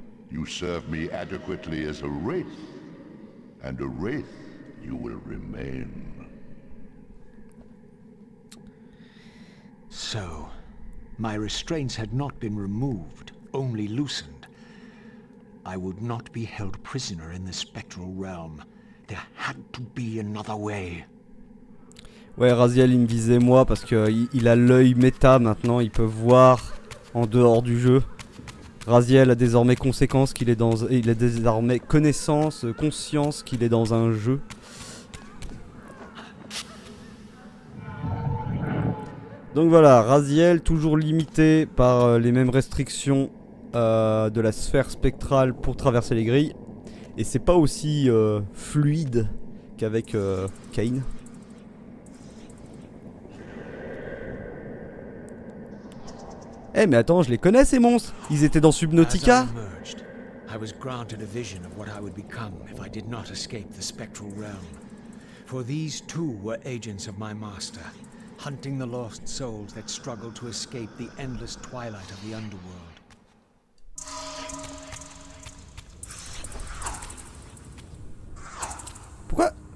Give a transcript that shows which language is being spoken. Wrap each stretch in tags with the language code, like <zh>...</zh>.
<en>You serve me adequately as a wraith, and a wraith you will remain. So, my restraints had not been removed, only loosened. I would not be held prisoner in the spectral realm. There had to be another way.</en> <fr>Ouais, Raziel, il me visait moi parce que il a l'œil méta maintenant, il peut voir en dehors du jeu. Raziel a désormais conscience qu'il est dans conscience qu'il est dans un jeu. Donc voilà, Raziel, toujours limité par les mêmes restrictions de la sphère spectrale pour traverser les grilles. Et c'est pas aussi fluide qu'avec Cain. Eh mais attends, je les connais ces monstres. Ils étaient dans Subnautica. J'ai été granté une vision de ce que je serais devenu si je n'avais pas escapé le spectral realm. Pour ces deux étaient agents de mon maître.</fr> <en>Hunting the lost souls that struggle to escape the endless twilight of the underworld.</en>